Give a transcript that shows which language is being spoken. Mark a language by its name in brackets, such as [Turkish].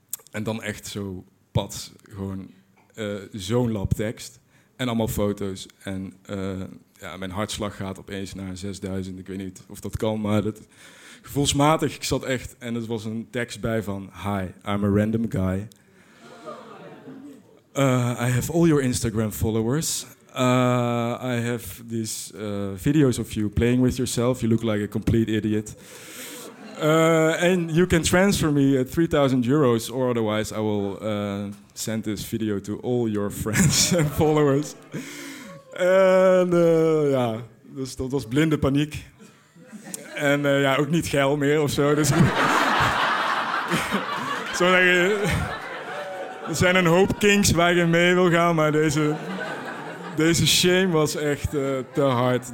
[Dutch] En dan echt zo pad, gewoon zo'n lap tekst en allemaal foto's. En ja, mijn hartslag gaat opeens naar 6000, ik weet niet of dat kan, maar dat, gevoelsmatig, ik zat echt... En er was een tekst bij van, [English] hi, I'm a random guy. I have all your Instagram followers. I have these videos of you playing with yourself. You look like a complete idiot. And you can transfer me at 3,000 euros or otherwise I will send this video to all your friends and followers. [Dutch] En ja, dus dat was blinde paniek. En ja, ook niet geil meer of zo. Dus zo denk je... Er zijn een hoop kinks waar ik mee wil gaan, maar deze shame was echt te hard.